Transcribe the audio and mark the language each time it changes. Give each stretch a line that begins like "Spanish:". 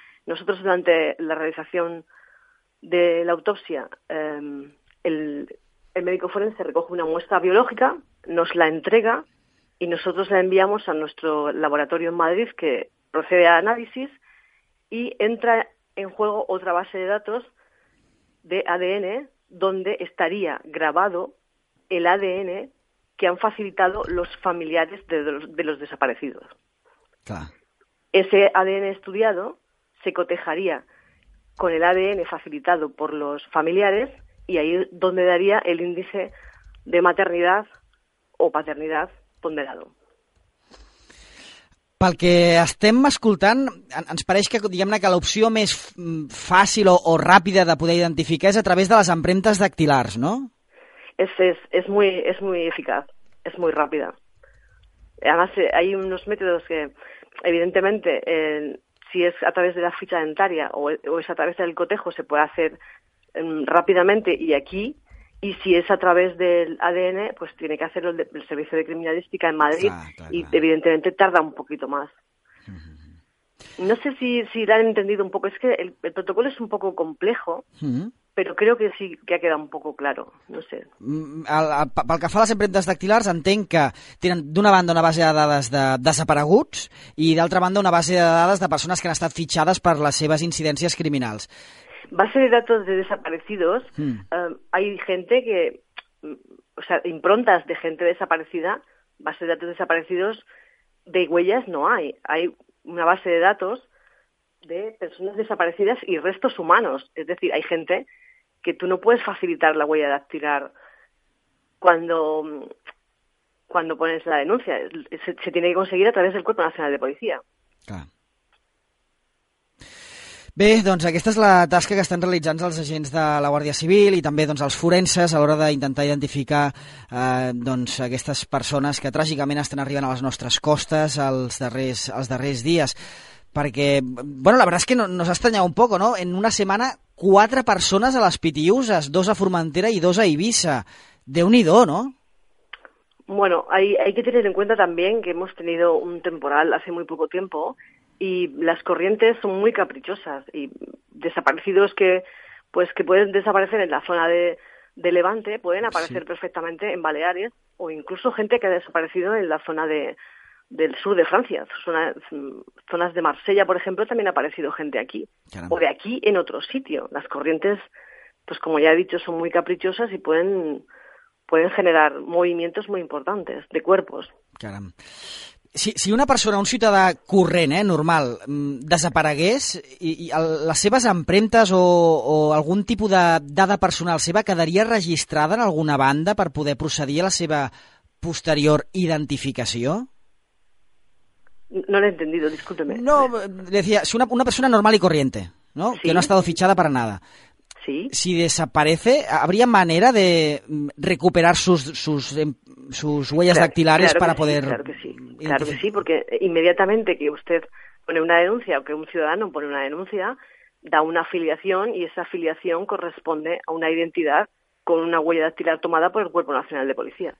Spanish: Nosotros, durante la realización de la autopsia, el médico forense recoge una muestra biológica, nos la entrega y nosotros la enviamos a nuestro laboratorio en Madrid, que procede a análisis, y entra en juego otra base de datos de ADN donde estaría grabado el ADN que han facilitado los familiares de los desaparecidos. Claro. Ese ADN estudiado se cotejaría con el ADN facilitado por los familiares y ahí es donde daría el índice de maternidad o paternidad ponderado.
Catalan: Pel que estem escoltant, ens pareix que, diguem-ne, que l'opció més fàcil o ràpida de poder identificar és a través de les empremtes dactilars, no?
Spanish: Es muy eficaz, es muy rápida. Además, hay unos métodos que, evidentemente, si es a través de la ficha dentaria o es a través del cotejo, se puede hacer rápidamente y aquí. Y si es a través del ADN, pues tiene que hacerlo el Servicio de Criminalística en Madrid y, evidentemente, tarda un poquito más. No sé si la han entendido un poco. Es que el protocolo es un poco complejo.
Catalan: Però crec que sí que ha quedat un poc clar, no sé. Pel que fa a les empremtes dactilars, entenc que tenen d'una banda una base de dades de desapareguts i d'altra banda una base de dades de persones que han estat fitxades per les seves incidències criminals.
Spanish: Base de datos de desaparecidos, hay gente que, o sea, improntas de gente desaparecida, base de datos desaparecidos de huellas no hay. Hay una base de datos de personas desaparecidas y restos humanos. Es decir, hay gente que tú no puedes facilitar la huella dactilar cuando pones la denuncia. Se tiene que conseguir a través del Cuerpo Nacional de Policía.
Catalan: Clar. Bé, doncs aquesta és la tasca que estan realitzant els agents de la Guàrdia Civil i també doncs, els forenses a l'hora d'intentar identificar doncs, aquestes persones que tràgicament estan arribant a les nostres costes els darrers dies. Perquè, bueno, la veritat és que no s'ha estranyat un poc, no? En una setmana, 4 persones a les Pitiuses, 2 a Formentera i 2 a Eivissa. Déu-n'hi-do, no?
Spanish: Bueno, hay que tener en cuenta también que hemos tenido un temporal hace muy poco tiempo y las corrientes son muy caprichosas y desaparecidos que pueden desaparecer en la zona de Levante pueden aparecer sí. Perfectamente en Baleares o incluso gente que ha desaparecido en la zona del sur de Francia, zonas de Marsella, por ejemplo, también ha aparecido gente aquí. Caramba. O de aquí en otro sitio. Las corrientes, pues como ya he dicho, son muy caprichosas y pueden generar movimientos muy importantes de cuerpos.
Catalan: Caram. Si una persona, un ciutadà corrent, normal, desaparegués, les seves empremtes o algun tipus de dada personal seva quedaria registrada en alguna banda per poder procedir a la seva posterior identificació?
Spanish: No lo he entendido, discúlpeme. No, decía, si una persona normal y corriente, ¿no? ¿Sí? Que no ha estado fichada para nada. Sí. ¿Sí? Si desaparece, ¿habría manera de recuperar sus huellas claro, dactilares claro para que poder...? Sí, claro que sí, claro que sí, porque inmediatamente que usted pone una denuncia o que un ciudadano pone una denuncia, da una afiliación y esa afiliación corresponde a una identidad con una huella dactilar tomada por el Cuerpo Nacional de Policía.